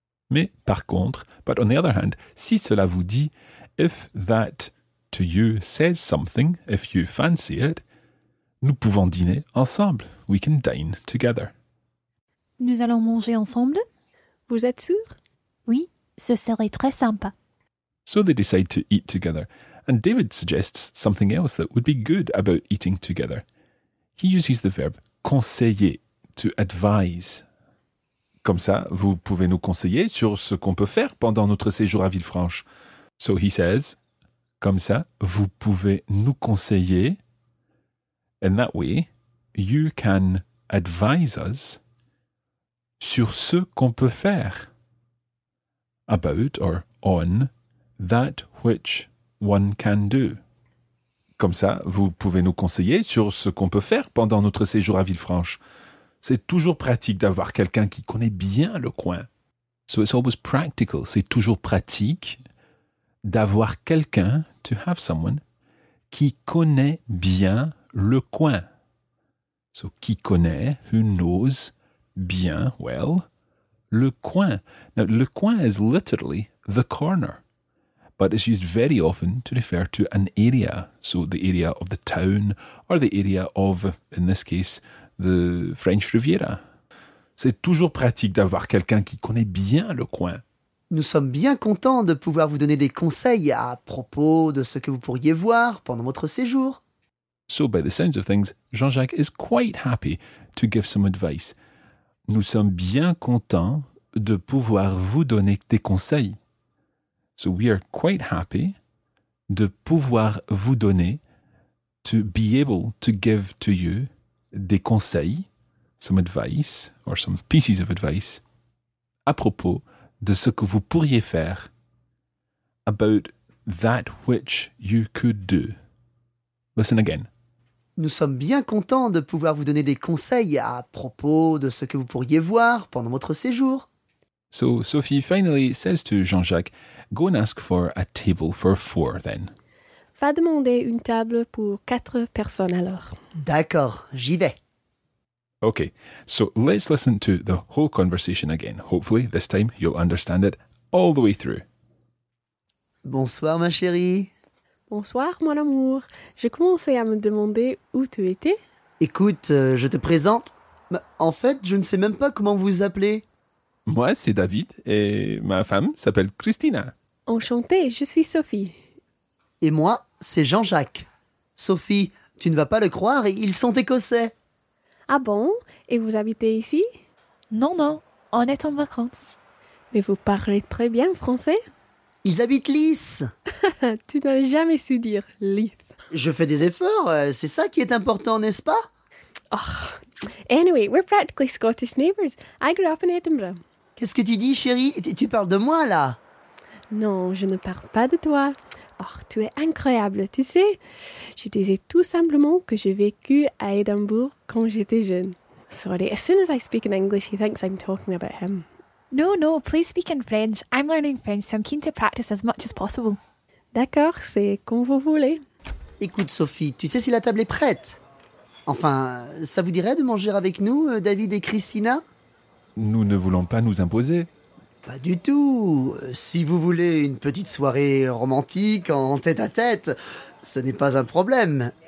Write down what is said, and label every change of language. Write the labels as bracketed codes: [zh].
[fr] Mais par contre, [en] but on the other hand, [fr] si cela vous dit, [en] if that to you says something, if you fancy it, [fr] nous pouvons dîner ensemble. [en] We can dine together. [fr] Nous allons manger ensemble? Vous êtes sûr? Oui, ce serait très sympa. [en] So they decide to eat together. And David suggests something else that would be good about eating together. He uses the verb conseiller, to advise. [fr] Comme ça, vous pouvez nous conseiller sur ce qu'on peut faire pendant notre séjour à Villefranche. [en] So he says, [fr] comme ça, vous pouvez nous conseiller. [en] In that way, you can advise us [fr] sur ce qu'on peut faire. [en] About or on that which one can do. [fr] Comme ça, vous pouvez nous conseiller sur ce qu'on peut faire pendant notre séjour à Villefranche. C'est toujours pratique d'avoir quelqu'un qui connaît bien le coin. [en] So it's always practical. [fr] C'est toujours pratique d'avoir quelqu'un, [en] to have someone, [fr] qui connaît bien le coin. So qui connaît, [en] who knows [fr] bien, well, le coin. [en] Now, le coin is literally the corner. But it's used very often to refer to an area. So the area of the town or the area of, in this case, the French Riviera. [fr] C'est toujours pratique d'avoir quelqu'un qui connaît bien le coin. Nous sommes bien contents de pouvoir vous donner des conseils à propos de ce que vous pourriez voir pendant votre séjour. [en] So by the sounds of things, Jean-Jacques is quite happy to give some advice. [fr] Nous sommes bien contents de pouvoir vous donner des conseils. [en] So we are quite happy [fr] de pouvoir vous donner, [en] to be able to give to you, [fr] des conseils, [en] some advice, or some pieces of advice, [fr] à propos de ce que vous pourriez faire, [en] about that which you could do. Listen again. [fr] Nous sommes bien contents de pouvoir vous donner des conseils à propos de ce que vous pourriez voir pendant votre séjour. [en] So Sophie finally says to Jean-Jacques, go and ask for a table for four then. [fr] Va demander une table pour quatre personnes alors. D'accord, j'y vais. [en] Okay, so let's listen to the whole conversation again. Hopefully this time you'll understand it all the way through. [fr] Bonsoir ma chérie. Bonsoir mon amour. Je commençais à me demander où tu étais. Écoute, je te présente. En fait, je ne sais même pas comment vous appelez. Moi, c'est David et ma femme s'appelle Christina. Enchantée, je suis Sophie. Et moi, c'est Jean-Jacques. Sophie, tu ne vas pas le croire, ils sont écossais. Ah bon? Et vous habitez ici? Non, non, on est en vacances. Mais vous parlez très bien français. Ils habitent Lys. Tu n'as jamais su dire Lys. Je fais des efforts, c'est ça qui est important, n'est-ce pas? Oh. [en] Anyway, we're practically Scottish neighbors. I grew up in Edinburgh. [fr] Qu'est-ce que tu dis, chérie? Tu parles de moi, là? Non, je ne parle pas de toi. Oh, tu es incroyable, tu sais. Je disais tout simplement que j'ai vécu à Edinburgh quand j'étais jeune. [en] Sorry, as soon as I speak in English, he thinks I'm talking about him. No, no, please speak in French. I'm learning French, so I'm keen to practice as much as possible. [fr] D'accord, c'est comme vous voulez. Écoute, Sophie, tu sais si la table est prête? Enfin, ça vous dirait de manger avec nous, David et Christina? Nous ne voulons pas nous imposer. Pas du tout. Si vous voulez une petite soirée romantique en tête-à-tête, ce n'est pas un problème.